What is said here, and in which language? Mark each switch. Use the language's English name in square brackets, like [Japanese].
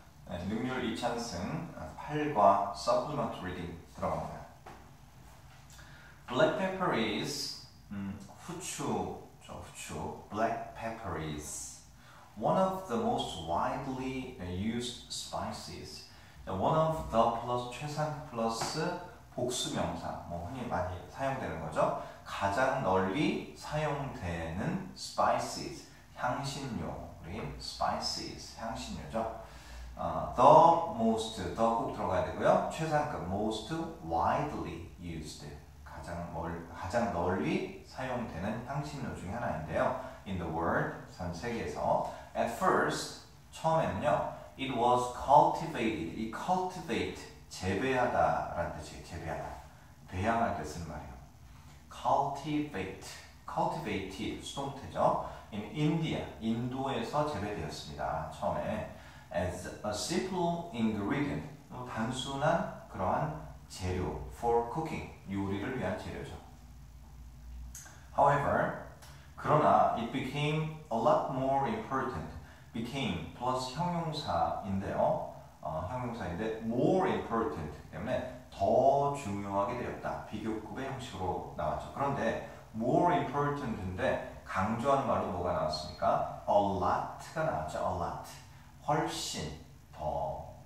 [Korean] 네, 능률 2차원승 8과 Supplement Reading 들어갑니다. [English] Black pepper is [Korean] 후추죠, 후추. [English] Black pepper is one of the most widely used spices. One of the [Korean] plus 최상 플러스 복수 명사, 뭐 흔히 많이 사용되는 거죠. 가장 널리 사용되는 spices, 향신료. Spices 향신료죠. [English] The most, [Korean] the 꼭 들어가야 되고요. 최상급 [English] most widely used [Korean] 가장 널리 사용되는 향신료 중에 하나인데요. [English] In the world [Korean] 전 세계에서 [English] at first [Korean] 처음에는요. [English] It was cultivated. [Korean] 이 cultivate 재배하다라는 뜻이에요. 재배하다, 배양할 때쓴 말이에요. Cultivated 수동태죠. [English] In India, [Korean] 인도에서 재배되었습니다. 처음에 [English] as a simple ingredient, [Korean] 단순한 그러한 재료 [English] for cooking, [Korean] 요리를 위한 재료죠. [English] However, [Korean] 그러나 [English] it became a lot more important. [Korean] became plus 형용사인데요, [English] more important [Korean] 때문에 더 중요하게 되었다. 비교급의 형식으로 나왔죠. 그런데 [English] more important [Korean] 인데 강조하는 말로 뭐가 나왔습니까? [English] A lot가 나왔죠. A lot. [Korean] 훨씬 더.